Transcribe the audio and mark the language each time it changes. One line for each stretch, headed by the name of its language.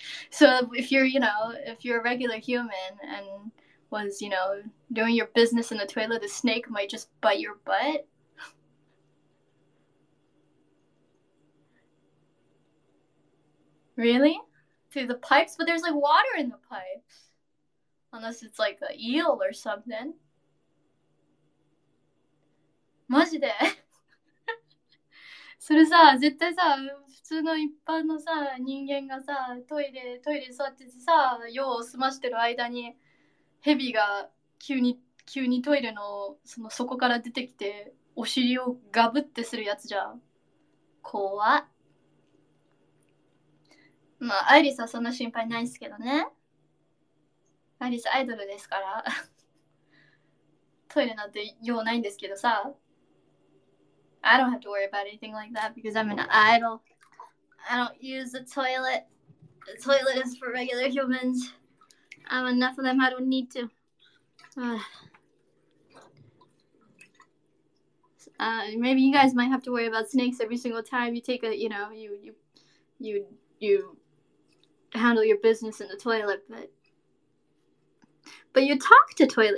English: So if you're, you know, if you're a regular human and was, you know, doing your business in the toilet, the snake might just bite your butt. Really? Through the pipes? But there's like water in the pipes. Unless it's like an eel or something.
Japanese: マジで？それさ、絶対さ、普通の一般のさ、人間がさ、トイレ座っててさ、用を済ましてる間に、ヘビが急にトイレのその底から出てきて、お尻をガブってするやつじゃん。怖っ。まあ、アイリスはそんな心配ないっすけどね。アイリスアイドルですから。トイレなんて用ないんですけどさ。
English: I don't have to worry about anything like that because I'm an idol. I don't use the toilet. The toilet is for regular humans. I'm enough of them, I don't need to. Maybe you guys might have to worry about snakes every single time you take a, you know, you handle your business in the toilet, but you talk to toilet.